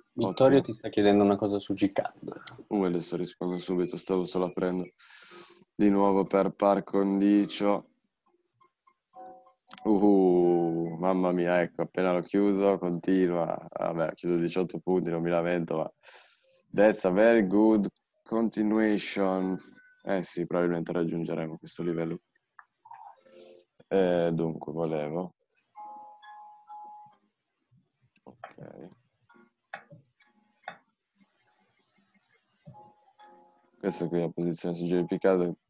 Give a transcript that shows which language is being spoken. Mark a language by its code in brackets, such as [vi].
[it] Vittorio ti sta chiedendo una cosa su GCAD. Adesso rispondo subito, stavo solo aprendo. Di nuovo per par condicio. Mamma mia, ecco, appena l'ho chiuso, continua. Vabbè, ho chiuso 18 punti, non mi lamento, ma... [en] That's a very good continuation. [it] Eh sì, probabilmente raggiungeremo questo livello. Dunque, volevo... Ok... Questa qui è la posizione su JPK.